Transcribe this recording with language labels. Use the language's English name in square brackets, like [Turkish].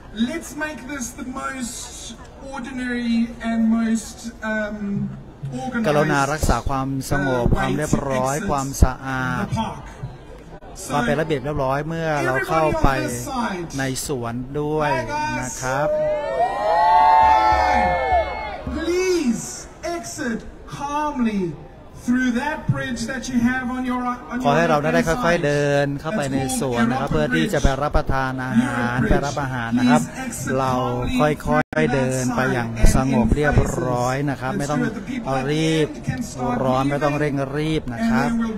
[English] Let's make this the most ordinary and most organized. [Thai] กรุณารักษาความสงบความเรียบร้อยความสะอาดมาเป็นระเบียบเรียบร้อยเมื่อเราเข้าไปในสวนด้วยนะครับ [English] Please exit calmly through that bridge that you have on your on your [Thai] ขอให้เราได้ค่อยๆเดินเข้าไปในสวนนะครับเพื่อที่จะไปรับประทานอาหารไปรับอาหารนะครับเราค่อยๆเดินไปอย่างสงบเรียบร้อยนะครับไม่ต้องรีบร้อนไม่ต้องเร่งรีบนะครับ